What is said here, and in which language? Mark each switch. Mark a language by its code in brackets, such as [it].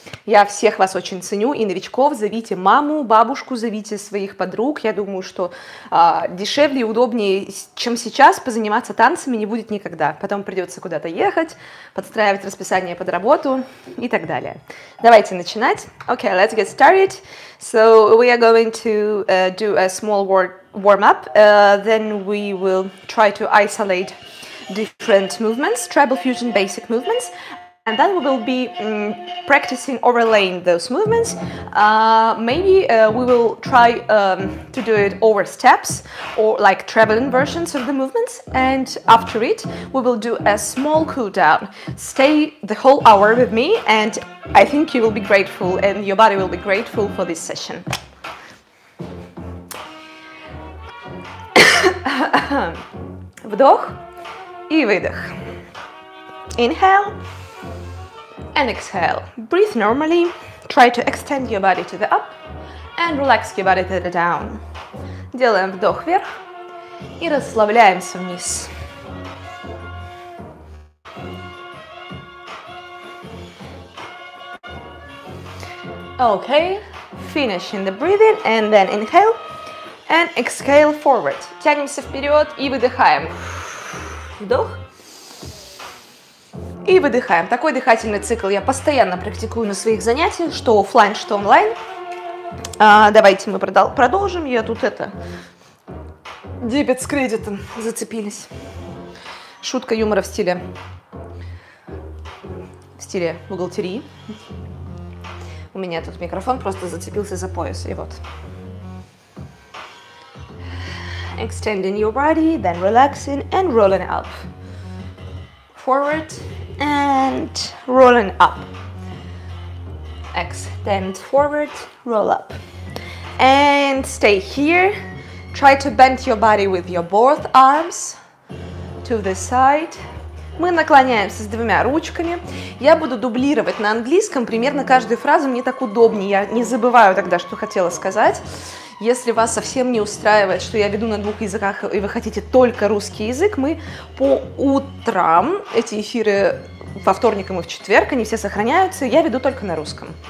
[ru] Я всех вас очень ценю, и новичков, зовите маму, бабушку, зовите своих подруг. Я думаю, что дешевле и удобнее, чем сейчас, позаниматься танцами не будет никогда. Потом придется куда-то ехать, подстраивать расписание под работу и так далее. Давайте начинать. [en] Okay, let's get started. So we are going to do a small warm-up, then we will try to isolate different movements, tribal fusion basic movements, and then we will be practicing overlaying those movements. Maybe we will try to do it over steps or like traveling versions of the movements, and after it we will do a small cool down. Stay the whole hour with me and I think you will be grateful and your body will be grateful for this session. [ru] Вдох и выдох. [en] Inhale and exhale. Breathe normally. Try to extend your body to the up and relax your body to the down. [ru] Делаем вдох вверх и расслабляемся вниз. [en] Okay, finishing the breathing and then inhale and exhale forward. [ru] Тянемся вперед и выдыхаем. Вдох и выдыхаем. Такой дыхательный цикл я постоянно практикую на своих занятиях, что офлайн, что онлайн. Давайте мы продолжим. Я тут это дебет с кредитом зацепились. Шутка юмора в стиле бухгалтерии. У меня тут микрофон просто зацепился за пояс, и вот. [en] Extending your body, then relaxing and rolling up. Forward and rolling up. Extend forward, roll up. And stay here. Try to bend your body with your both arms to the side. [ru] Мы наклоняемся с двумя ручками. Я буду дублировать на английском примерно каждую фразу. Мне так удобнее. Я не забываю тогда, что хотела сказать. Если вас совсем не устраивает, что я веду на двух языках, и вы хотите только русский язык, мы по утрам, эти эфиры во вторникам и в четверг, они все сохраняются, я веду только на русском.